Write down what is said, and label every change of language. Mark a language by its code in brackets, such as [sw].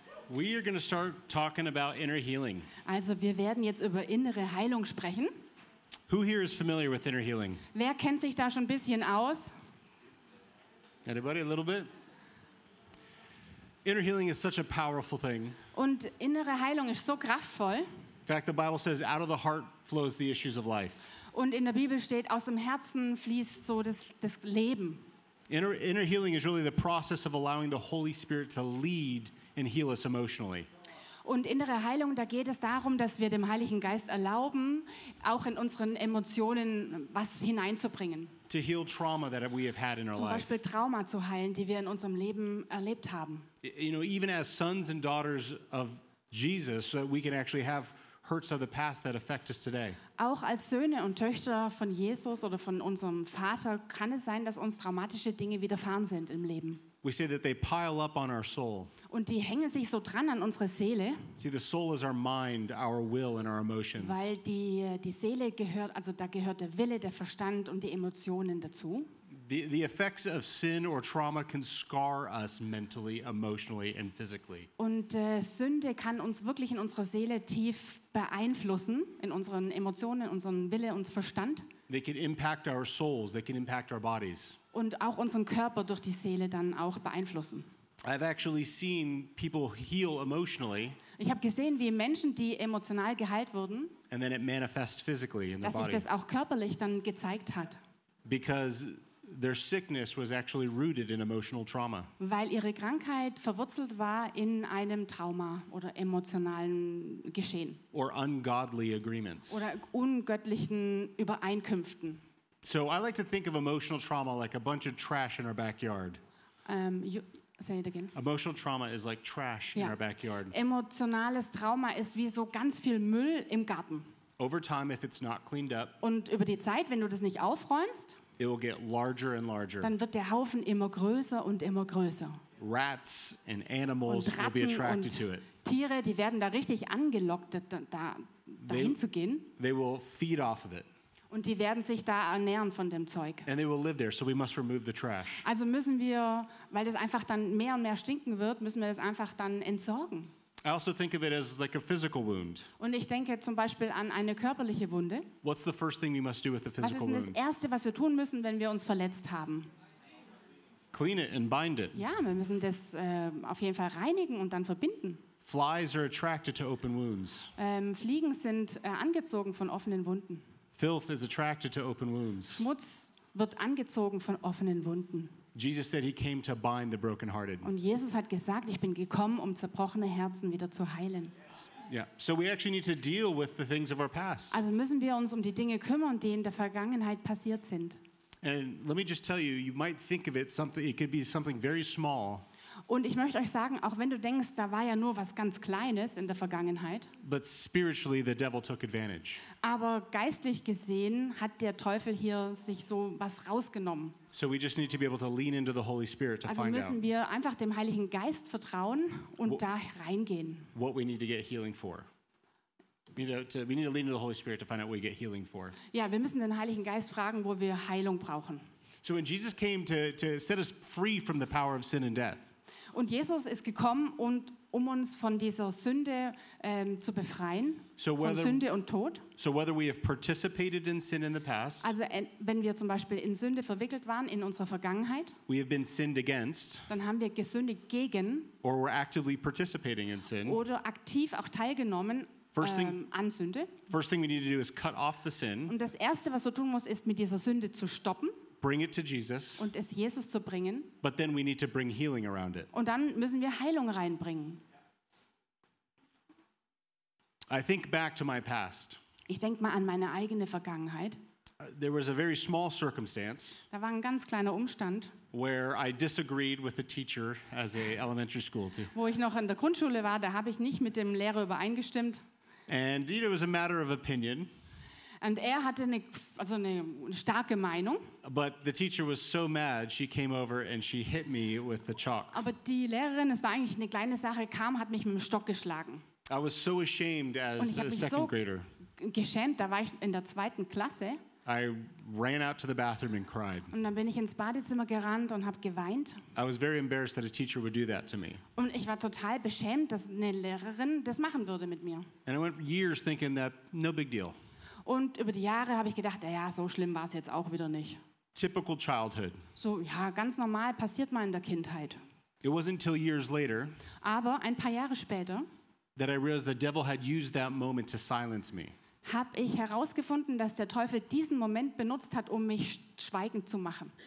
[en] We are going to start talking about inner healing. [de] Also, wir werden jetzt über innere Heilung sprechen. [en] Who here is familiar with inner healing? [de] Wer kennt sich da schon ein bisschen aus? [en] Anybody, a little bit? Inner healing is such a powerful thing. [de] Und innere Heilung ist so kraftvoll. [en] In fact, the Bible says, out of the heart flows the issues of life. [de] Und in der Bibel steht, aus dem Herzen fließt so das Leben. [en] Inner healing is really the process of allowing the Holy Spirit to lead and heal us emotionally. [de] Und innere Heilung, da geht es darum, dass wir dem Heiligen Geist erlauben, auch in unseren Emotionen was hineinzubringen. [en] To heal trauma that we have had in our life. [de] Zum Beispiel Trauma zu heilen, die wir in unserem Leben erlebt haben. [en] You know, even as sons and daughters of Jesus, so that we can actually have hurts of the past that affect us today. [de] Auch als Söhne und Töchter von Jesus oder von unserem Vater kann es sein, dass uns traumatische Dinge widerfahren sind im Leben. [en] We say that they pile up on our soul. [de] Und die hängen sich so dran an unsere Seele. [en] See, the soul is our mind, our will and our emotions. [de] Weil die Seele gehört, also da gehört der Wille, der Verstand und die Emotionen dazu. [en] The effects of sin or trauma can scar us mentally, emotionally and physically. [de] Und Sünde kann uns wirklich in unserer Seele tief beeinflussen, in unseren Emotionen, unseren Wille und Verstand. [en] They can impact our souls, they can impact our bodies. [de] Und auch unseren Körper durch die Seele dann auch beeinflussen. [en] I've actually seen people heal emotionally. [de] Ich habe gesehen, wie Menschen, die emotional geheilt wurden, [en] and then it manifests physically in the [de] body. Dass sich das auch körperlich dann gezeigt hat. [en] Because their sickness was actually rooted in emotional trauma. [de] Weil ihre Krankheit verwurzelt war in einem Trauma oder emotionalen Geschehen. [en] Or ungodly agreements. [de] Oder ungöttlichen Übereinkünften. [en] So I like to think of emotional trauma like a bunch of trash in our backyard. Say it again. Emotional trauma is like trash in our backyard. [de] Emotionales Trauma ist wie so ganz viel Müll im Garten. [en] Over time, if it's not cleaned up. [de] Und über die Zeit, wenn du das nicht aufräumst. [en] It will get larger and larger. [de] Dann wird der Haufen immer größer und immer größer. [en] Rats and animals will be attracted to it. [de] Tiere, die werden da richtig angelockt, dahin zu gehen. [en] They will feed off of it. [de] Und die werden sich da ernähren von dem Zeug. [en] And they will live there, so we must remove the trash. [de] Also müssen wir, weil das einfach dann mehr und mehr stinken wird, müssen wir das einfach dann entsorgen. [en] I also think of it as like a physical wound. [de] Und ich denke zum Beispiel an eine körperliche Wunde. [en] What's the first thing we must do with the physical wound? [de] Was ist das Erste, was wir tun müssen, wenn wir uns verletzt haben? [en] Clean it and bind it. [de] Ja, wir müssen das auf jeden Fall reinigen und dann verbinden. [en] Flies are attracted to open wounds. [de] Fliegen sind angezogen von offenen Wunden. [en] Filth is attracted to open wounds. [de] Schmutz wird angezogen von offenen Wunden. [en] Jesus said he came to bind the brokenhearted. [de] Und Jesus hat gesagt, ich bin gekommen, um zerbrochene Herzen wieder zu heilen. [en] Yeah. So we actually need to deal with the things of our past. [de] Also müssen wir uns um die Dinge kümmern, die in der Vergangenheit passiert sind. [en] And let me just tell you, you might think of it something, it could be something very small. [de] Und ich möchte euch sagen, auch wenn du denkst, da war ja nur was ganz Kleines in der Vergangenheit. [en] But spiritually the devil took advantage. [de] Aber geistlich gesehen hat der Teufel hier sich so was rausgenommen. [en] So we just need to be able to lean into the Holy Spirit to [de] also [en] find out. [de] Also müssen wir einfach dem Heiligen Geist vertrauen und da reingehen. [en] What we need to get healing for. We need to lean into the Holy Spirit to find out what we get healing for. [de] Ja, wir müssen den Heiligen Geist fragen, wo wir Heilung brauchen. [en] So when Jesus came to set us free from the power of sin and death. [de] Und Jesus ist gekommen, um uns von dieser Sünde zu befreien, [en] so whether, [de] von Sünde und Tod. [en] So whether we have participated in sin in the past, [de] also wenn wir zum Beispiel in Sünde verwickelt waren in unserer Vergangenheit, [en] we have been sinned against, [de] dann haben wir gesündigt gegen [en] or we're actively participating in sin, [de] oder aktiv auch teilgenommen an Sünde. [en] First thing we need to do is cut off the sin. [de] Und das Erste, was du tun musst, ist, mit dieser Sünde zu stoppen. [en] Bring it to Jesus. [de] Und es Jesus zu bringen. [en] But then we need to bring healing around it. [de] Und dann müssen wir Heilung reinbringen. [en] I think back to my past. [de] Ich denk mal an meine eigene Vergangenheit. [en] There was a very small circumstance. [de] Da war ein ganz kleiner Umstand. [en] Where I disagreed with the teacher as a elementary school too. [de] Wo ich noch in der Grundschule war, da habe ich nicht mit dem Lehrer übereingestimmt. [en] And it was a matter of opinion. [de] Und er hatte eine starke Meinung. [en] But the teacher was so mad, she came over and she hit me with the chalk. [de] Aber die Lehrerin, es war eigentlich eine kleine Sache, kam, hat mich mit dem Stock geschlagen. [en] I was so ashamed as a second grader. [de] Geschämt, da war ich in der zweiten Klasse. [en] I ran out to the bathroom and cried. [de] Und dann bin ich ins Badezimmer gerannt und habe geweint. [en] I was very embarrassed that a teacher would do that to me. [de] Und ich war total beschämt, dass eine Lehrerin das machen würde mit mir. [en] And I went for years thinking that no big deal. [de] Und über die Jahre habe ich gedacht, ja, so schlimm war es jetzt auch wieder nicht. [en] Typical childhood. [de] So, ja, ganz normal, passiert mal in der Kindheit. [en] It wasn't until years later. [de] Aber ein paar Jahre später. [en] That I realized the devil had used that moment to silence me. [de] Habe ich herausgefunden, dass der Teufel diesen Moment benutzt hat, um mich schweigend zu machen.